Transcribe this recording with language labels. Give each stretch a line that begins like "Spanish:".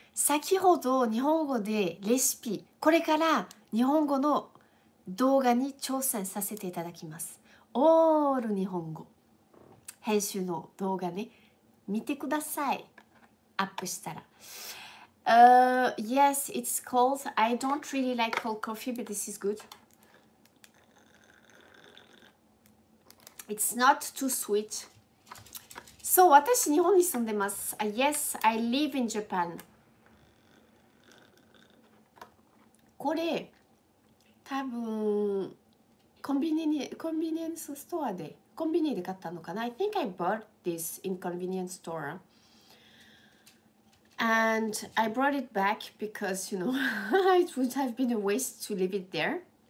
Japanese: 先ほど日本語でレシピ、これから日本語の動画に挑戦させていただきます。オール日本語編集の動画ね、見てください。アップしたら。
English: Yes, it's cold. I don't really like cold coffee, but this is good. It's not too sweet.
Japanese: So, 私日本に住んでます。
English: Yes, I live in Japan.
Japanese: これ多分コンビニで買ったのかな。
English: I think I bought this in convenience store and I brought it back because you know it would have been a waste to leave it there.